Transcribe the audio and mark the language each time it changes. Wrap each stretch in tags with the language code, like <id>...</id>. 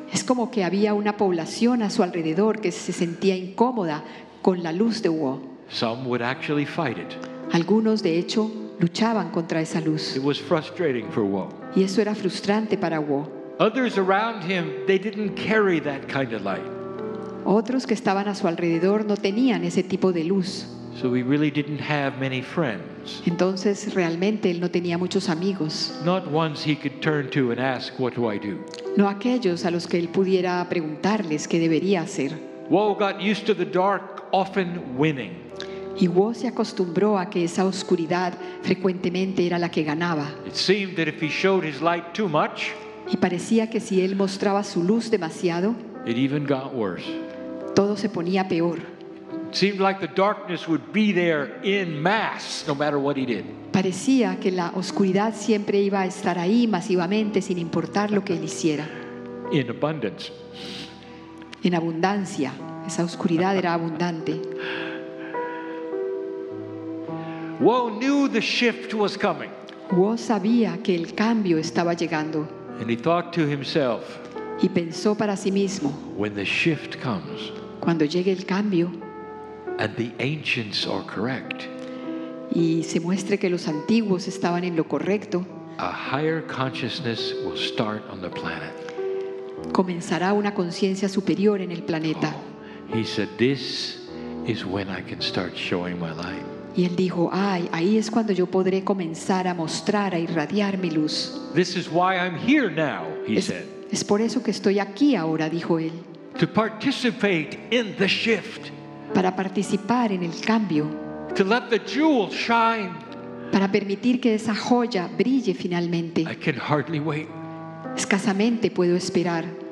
<es>Es como que había una población a su alrededor que se sentía incómoda con la luz de Wo.</es> <en>Some would actually fight it.</en> <es>Algunos, de hecho, luchaban contra esa luz.</es> <en>It was frustrating for Wo.</en> <es>Y eso era frustrante para Wo.</es> <en>Others around him, they didn't carry that kind of light.</en> <es>Otros que estaban a su alrededor no tenían ese tipo de luz.</es> <en>So he really didn't have many friends.</en> <es>Entonces realmente él no tenía muchos amigos.</es> <en>Not ones he could turn to and ask, "What do I do?"</en> <es>No aquellos a los que él pudiera preguntarles qué debería hacer.</es> <en>Wo got used to the dark, often winning.</en> <es>y Wu se acostumbró a que esa oscuridad frecuentemente era la que ganaba.</es> <en>It seemed that if he showed his light too much,</en> <es>y parecía que si él mostraba su luz demasiado,</es> <en>it even got worse.</en> <es>Todo se ponía peor.</es> <en>It seemed like the darkness would be there in mass, no matter what he did.</en> <es>Parecía que la oscuridad siempre iba a estar ahí masivamente, sin importar lo que él hiciera.</es> <en>In abundance.</en> <es>En abundancia, esa oscuridad era abundante.</es> <en>Wu knew the shift was coming.</en> <es>Wu sabía que el cambio estaba llegando.</es> <en>And he thought to himself.</en> <es>Y pensó para sí mismo.</es> <en>When the shift comes.</en> <es>Cuando llegue el cambio.</es> <en>And the ancients are correct.</en> <es>Y se muestre que los antiguos estaban en lo correcto.</es> <en>A higher consciousness will start on the planet.</en> <es>Comenzará una conciencia superior en el planeta.</es> <en>Oh, he said, "This is when I can start showing my light."</en> <es>Y él dijo, "Ay, ahí es cuando yo podré comenzar a mostrar, a irradiar mi luz."</es> <en>This is why I'm here now, he said.</en> <es>Es por eso que estoy aquí ahora, dijo él.</es> <en>To participate in the shift.</en> <es>Para participar en el cambio.</es> <en>To let the jewel shine.</en> <es>Para permitir que esa joya brille finalmente.</es> <en>I can hardly wait.</en> <es>Escasamente puedo esperar.</es>